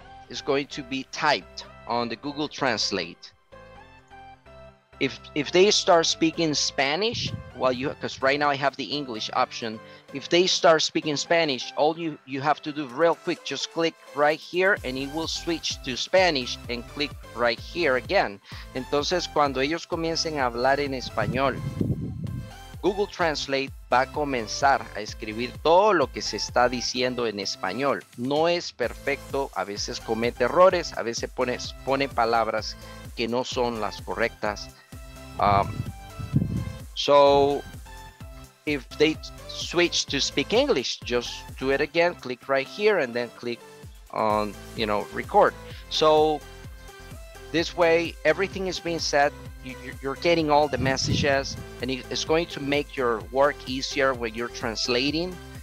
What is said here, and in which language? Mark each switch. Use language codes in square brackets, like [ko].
[en] Is going to be typed on the Google Translate. If they start speaking Spanish, because right now I have the English option. If they start speaking Spanish, all you have to do real quick, just click right here and it will switch to Spanish and click right here again. [es] Entonces, cuando ellos comiencen a hablar en español, Google Translate va a comenzar a escribir todo lo que se está diciendo en español. No es perfecto, a veces comete errores, a veces pone palabras que no son las correctas. [en] So if they switch to speak English, just do it again, click right here and then click on, record. So this way, everything is being said, you're getting all the messages and it's going to make your work easier when you're translating.